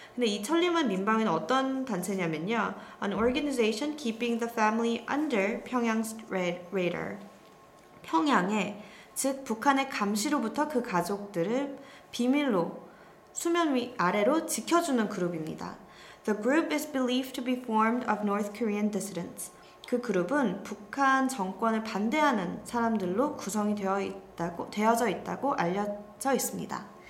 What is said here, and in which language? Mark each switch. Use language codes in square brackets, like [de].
[ko] 근데 이 철리마 민방위는 어떤 단체냐면요. [en] An organization keeping the family under Pyongyang's radar. [ko] 평양에 즉 북한의 감시로부터 그 가족들을 비밀로 수면 위 아래로 지켜주는 그룹입니다. [en] The group is believed to be formed of North Korean dissidents. [ko] 그 그룹은 북한 정권을 반대하는 사람들로 구성이 되어져 있다고 알려져 있습니다.